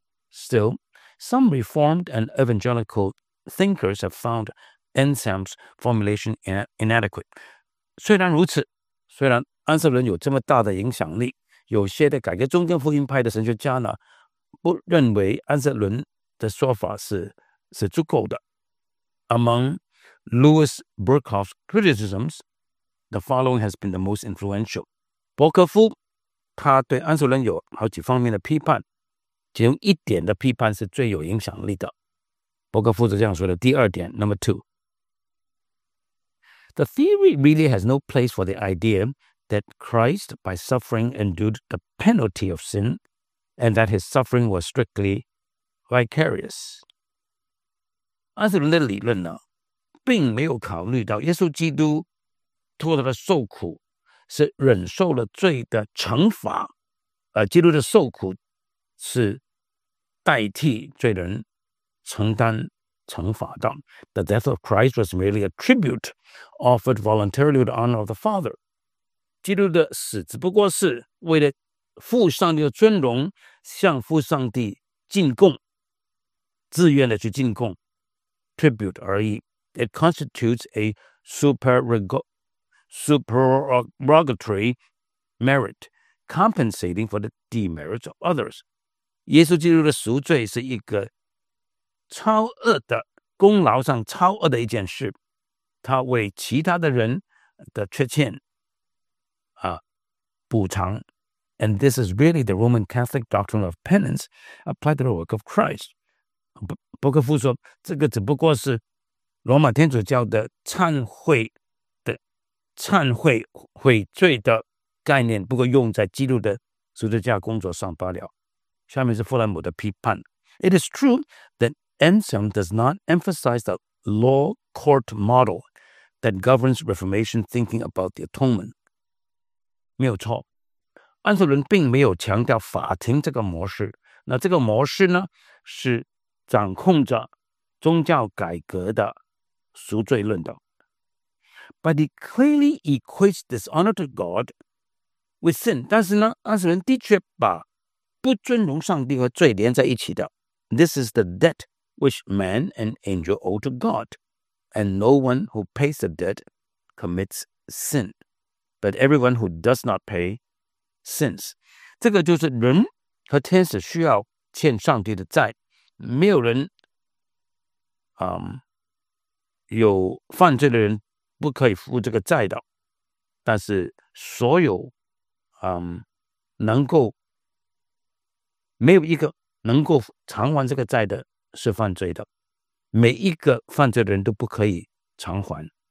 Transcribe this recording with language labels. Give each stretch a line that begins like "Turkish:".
English: Still, some Reformed and Evangelical thinkers have found Anselm's formulation inadequate.
Chinese: 虽然如此，虽然安瑟伦有这么大的影响力，有些的改革宗教福音派的神学家呢，不认为安瑟伦的说法是足够的。
English: Among Louis Burkhoff's criticisms, the following has been the most influential.
Chinese: 伯克夫他对安瑟伦有好几方面的批判，其中一点的批判是最有影响力的。伯克夫是这样说的，第二点 ,
English: Number two. The theory really has no place for the idea that Christ, by suffering, endured the penalty of sin, and that his suffering was strictly vicarious.
Chinese: 安瑟伦的理论呢，并没有考虑到耶稣基督脱了他的受苦是忍受了罪的惩罚，基督的受苦是代替罪人承担惩罚的。
English: The death of Christ was merely a tribute offered voluntarily to the honor of the Father.
Chinese: 基督的死只不过是为了父上帝的尊荣，向父上帝进贡，自愿的去进贡 ，tribute 而已。
English: It constitutes a supererogatory merit, compensating for the demerits of others.
Chinese: 耶稣基督的赎罪是一个超额的功劳上超额的一件事，他为其他的人的缺欠补偿。
English: And this is really the Roman Catholic doctrine of penance applied to the work of Christ.
Chinese: 伯克夫说，这个只不过是罗马天主教的忏悔悔罪的概念，不过用在基督的十字架工作上罢了。下面是弗兰姆的批判。
English: It is true that Anselm does not emphasize the law court model that governs Reformation thinking about the atonement.
Chinese: 没有错，安瑟伦并没有强调法庭这个模式。那这个模式呢，是掌控着宗教改革的赎罪论的。
English: But he clearly equates dishonor to God with sin.
Chinese: 但是呢，安瑟伦的确把不尊荣上帝和罪连在一起的。
English: This is the debt which man and angel owe to God, and no one who pays the debt commits sin. But everyone who does not pay sins.
Chinese: 这个就是人和天使需要欠上帝的债，没有人，有犯罪的人不可以付这个债的，但是所有能够没有一个能够偿还这个债的是犯罪的，每一个犯罪的人都不可以偿还。